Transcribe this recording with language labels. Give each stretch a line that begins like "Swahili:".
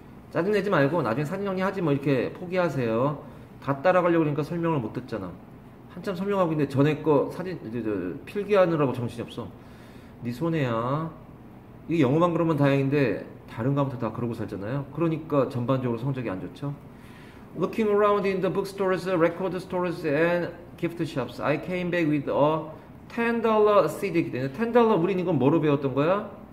Korean: 짜증내지 말고 나중에 사진 정리하지 뭐 이렇게 포기하세요. 다 따라가려고 그러니까 설명을 못 듣잖아. 한참 설명하고 있는데 전에 거 사진 필기하느라고 정신이 없어. 네 손해야. 이게 영어만 그러면 다행인데 다른 과목도 다 그러고 살잖아요. 그러니까 전반적으로 성적이 안 좋죠.
English: Looking around in the bookstores, record stores and gift shops, I came back with a $10 CD.
Korean: $10 우리는 이건 뭐로 배웠던 거야?